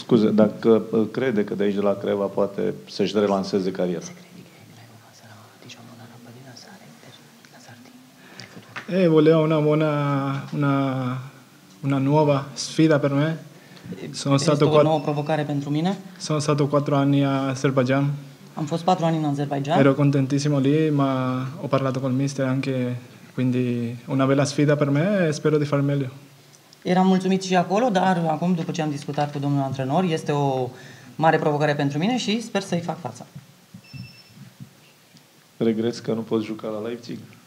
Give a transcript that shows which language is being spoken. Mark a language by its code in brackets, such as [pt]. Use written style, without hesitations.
[ro] Dacă crede că de aici de la Creva poate să-și relanseze cariera. [it] Voleva una buona, una nuova sfida per me. Sono stato 4 anni a Azerbaijan. [ro] Am fost 4 ani în Azerbaijan. [it] Ero contentissimo lì, ma ho parlato col mister anche, quindi una bella sfida per me e spero di far meglio. [ro] Eram mulțumit și acolo, dar acum, după ce am discutat cu domnul antrenor, este o mare provocare pentru mine și sper să-i fac față. Regreți că nu poți juca la Leipzig?